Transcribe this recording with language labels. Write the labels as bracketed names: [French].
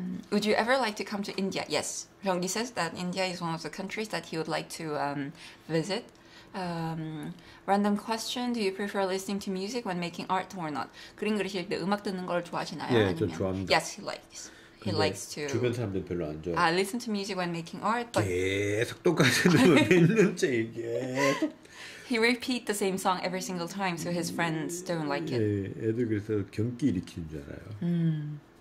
[English] would you ever like to come to India? Yes. Ryonggi says that India is one of the countries that he would like to visit. Random question. Do you prefer listening to music when making art or not? [Korean] 그림 그리실 때 음악 듣는 걸 좋아하시나요? 예, 아니면? 좀 좋아합니다. [English] Yes, he likes. He likes to. [Korean] 주변 사람들 별로 안 좋아. [English] Listen to music when making art. But... [Korean] 계속 똑같은 노래 몇 년째 이게. [English] He repeat the same song every single time, so his friends don't like it. [Korean] 예, 애들 그래서 경기 일으키는 줄 알아요.